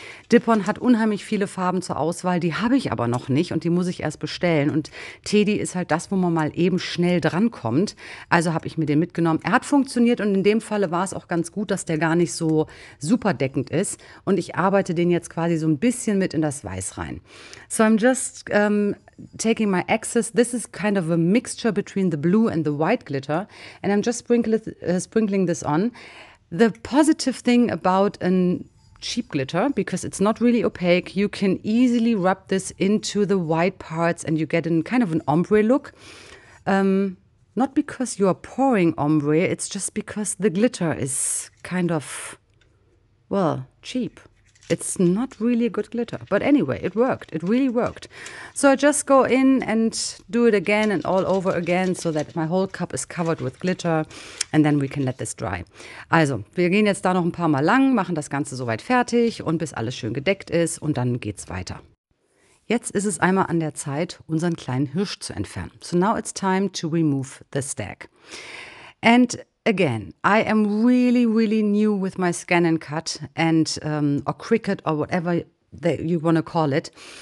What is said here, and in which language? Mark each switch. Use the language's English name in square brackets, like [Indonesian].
[German] Dippon hat unheimlich viele Farben zur Auswahl, die habe ich aber noch nicht und die muss ich erst bestellen. Und Teddy ist halt das, wo man mal eben schnell drankommt, also habe ich mir den mitgenommen. Er hat funktioniert und in dem Falle war es auch ganz gut, dass der gar nicht so super deckend ist. Und ich arbeite den jetzt quasi so ein bisschen mit in das Weiß rein. [English] So I'm just taking my excess, this is kind of a mixture between the blue and the white glitter. And I'm just sprinkling this on. The positive thing about an cheap glitter, because it's not really opaque, you can easily rub this into the white parts and you get in kind of an ombre look. Not because you are pouring ombre, it's just because the glitter is kind of, well, cheap. It's not really good glitter. But anyway, it worked. It really worked. So I just go in and do it again and all over again, so that my whole cup is covered with glitter. And then we can let this dry. [German] Also, wir gehen jetzt da noch ein paar Mal lang, machen das Ganze soweit fertig und bis alles schön gedeckt ist. Und dann geht's weiter. Jetzt ist es einmal an der Zeit, unseren kleinen Hirsch zu entfernen. [English] So now it's time to remove the stag. And again, I am really, really new with my scan and cut and or Cricut or whatever that you want to call it.